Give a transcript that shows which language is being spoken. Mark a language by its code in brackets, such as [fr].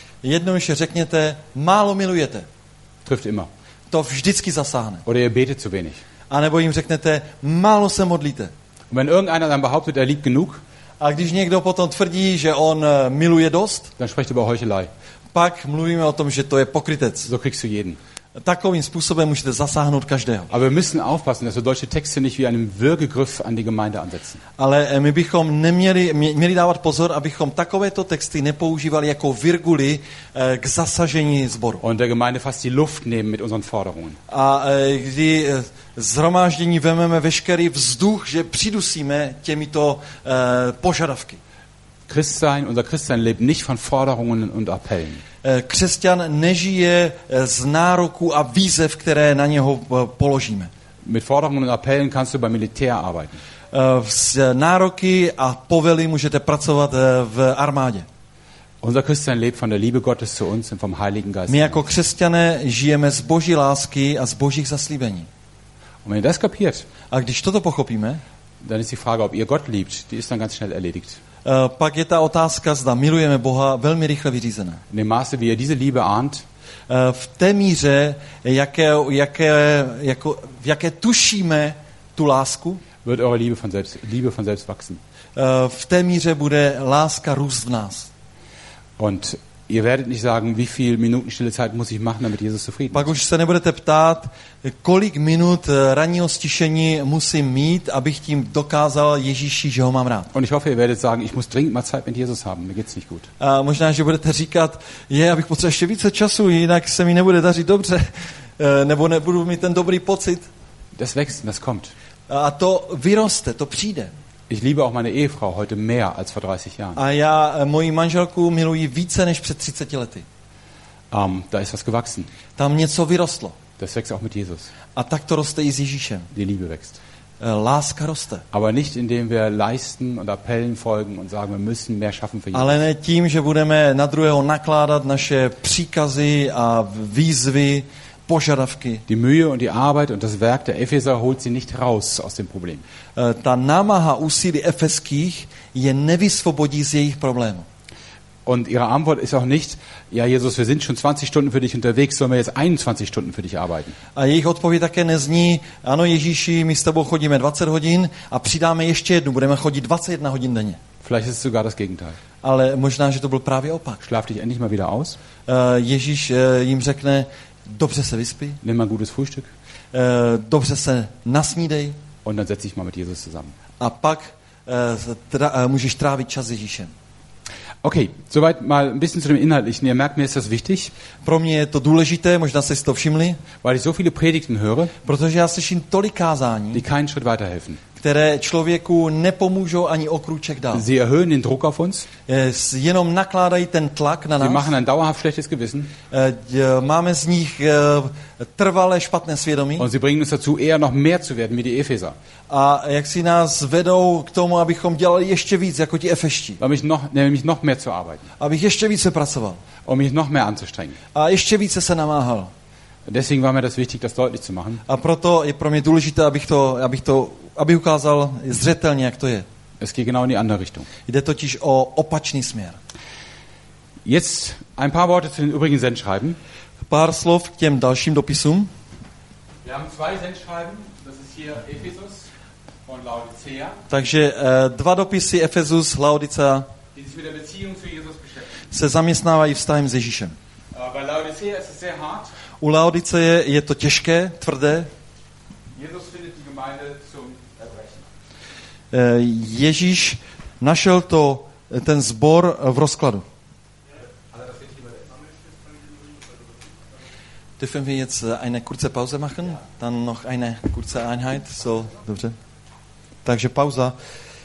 [cs] Jednoduše řekněte, málo milujete. [de] Trifft immer. [cs] To vždycky zasáhne. [de] Oder ihr betet zu wenig. [cs] A nebo jim řeknete, málo se modlíte. [de] Und wenn irgendeiner dann behauptet, er liebt genug, [cs] a když někdo potom tvrdí, že on miluje dost, [de] dann sprecht über Heuchelei. [cs] Pak mluvíme o tom, že to je pokrytec. [de] So kriegst du jeden. [cs] Takovým způsobem můžete zasáhnout každého. [de] Aber wir müssen aufpassen, dass wir deutsche Texte nicht wie einen Würgegriff an die Gemeinde ansetzen. [cs] Ale my bychom měli dávat pozor, abychom takovéto texty nepoužívali jako virguly k zasažení sboru. [de] Und der Gemeinde fast die Luft nehmen mit unseren Forderungen. [cs] A kdy zhromáždění vememe veškerý vzduch, že přidusíme těmito požadavky. [de] Christsein, unser Christsein lebt nicht von Forderungen und Appellen. [cs] Křesťan nežije z nároků a výzev, které na něho položíme. [de] Mit Forderungen und Appellen kannst du beim Militär arbeiten. [cs] S nároky a povely můžete pracovat v armádě. [de] Unser Christsein lebt von der Liebe Gottes zu uns und vom Heiligen Geist. [cs] My jako křesťané žijeme z Boží lásky a z Božích zaslíbení. [de] Und wenn ihr das kapiert, [cs] a když toto pochopíme, [de] dann ist die Frage, ob ihr Gott liebt, die ist dann ganz schnell erledigt. [cs] Pak je ta otázka, zda milujeme Boha, velmi rychle vyřízená. Nemáte vy [de] diese Liebe ahnt? [cs] V té míře, v jaké tušíme tu lásku, [de] wird eure Liebe von selbst wachsen. [cs] V té míře bude láska růst v nás. [de] Und Ihr werdet nicht sagen, wie viel Minuten stille Zeit muss ich machen, damit Jesus zufrieden ist. [cs] Pak už se nebudete ptát, kolik minut ranního stišení musím mít, abych tím dokázal Ježíši, že ho mám rád. [de] Und ich hoffe, ihr werdet sagen, ich muss dringend mal Zeit mit Jesus haben, mir geht's nicht gut. [cs] A možná, že budete říkat, je, abych potřeboval ještě více času, jinak se mi nebude dařit dobře, nebo nebudu mít ten dobrý pocit. [de] Das wächst, das kommt. [cs] A to vyroste, to přijde. [de] Ich liebe auch meine Ehefrau heute mehr als vor 30 Jahren. [cs] A já moji manželku miluji více než před 30 lety. [de] Da ist was gewachsen. [cs] Tam něco vyrostlo. [de] Das wächst auch mit Jesus. [cs] A tak to roste i s Ježíšem. [de] Die Liebe wächst. [cs] Láska roste. [de] Aber nicht indem wir leisten und Appellen folgen und sagen, wir müssen mehr schaffen für Jesus. [cs] Ale ne tím, že budeme na druhého nakládat naše příkazy a výzvy. [de] Die Mühe und die Arbeit und das Werk der Epheser holt sie nicht raus aus dem Problem. [cs] Ta námaha úsilí efeských je nevysvobodí z jejich problému. [de] Und ihre Antwort ist auch nicht, ja Jesus, wir sind schon 20 Stunden für dich unterwegs, sollen wir jetzt 21 Stunden für dich arbeiten? [cs] A jejich odpověď také nezní, ano Ježíši, my s tebou chodíme 20 hodin a přidáme ještě jednu, budeme chodit 21 hodin denně. [de] Vielleicht ist es sogar das Gegenteil. [cs] Ale možná, že to byl právě opak. [de] Schlaf dich endlich mal wieder aus. [cs] Ježíš jim řekne, dobře se vyspí. [de] Nimm ein gutes Frühstück. [cs] Dobře se nasnídej. [de] Und dann setz dich mal mit Jesus zusammen. [cs] A pak můžeš trávit čas s Ježíšem. [de] Okay, soweit mal ein bisschen zu dem Inhaltlichen. Ihr merkt, mir ist das wichtig. [cs] Pro mě je to důležité, možná jste si to všimli. [de] Weil ich so viele Predigten höre. [cs] Protože já slyším tolik kázání. [de] Die keinen Schritt weiterhelfen. [cs] Které člověku nepomůžou ani o krůček dál. [de] Sie erhöhen den Druck auf uns. [cs] Jenom nakládají ten tlak na nás. [de] Sie machen ein dauerhaft schlechtes Gewissen. [cs] Máme z nich trvalé špatné svědomí. [de] Und sie bringen uns dazu, eher noch mehr zu werden, wie die Epheser. [cs] A jak si nás vedou k tomu, abychom dělali ještě víc, jako ti Efeští. [de] Nämlich noch mehr zu arbeiten. [cs] Abych ještě více pracoval. [de] Um mich noch mehr anzustrengen. [cs] A ještě více se namáhal. [de] Deswegen war mir das wichtig, das deutlich zu machen. [cs] A proto je pro mě důležité, abych ukázal zřetelně, jak to je. [de] Es geht genau in die andere Richtung. [cs] Jde totiž o opačný směr. [de] Jetzt ein paar Worte zu den übrigen Sendschreiben. [cs] Pár slov k těm dalším dopisům. [de] Wir haben zwei Sendschreiben, das ist hier Ephesus und Laodicea. [cs] Takže dva dopisy Ephesus, Laodicea. [de] Die sich mit der Beziehung zu Jesus beschäftigen. [cs] Se zaměstnávají vztahem s Ježíšem. [de] Bei Laodicea ist es sehr hart. [cs] U Laodicea je to těžké, tvrdé. [de] Jesus findet die Gemeinde zum Erbrechen. [cs] Ježíš našel to ten sbor v rozkladu. [de] Dürfen wir jetzt eine kurze Pause machen? Ja. Dann noch eine kurze Einheit, [cs] so, dobře. Takže pauza.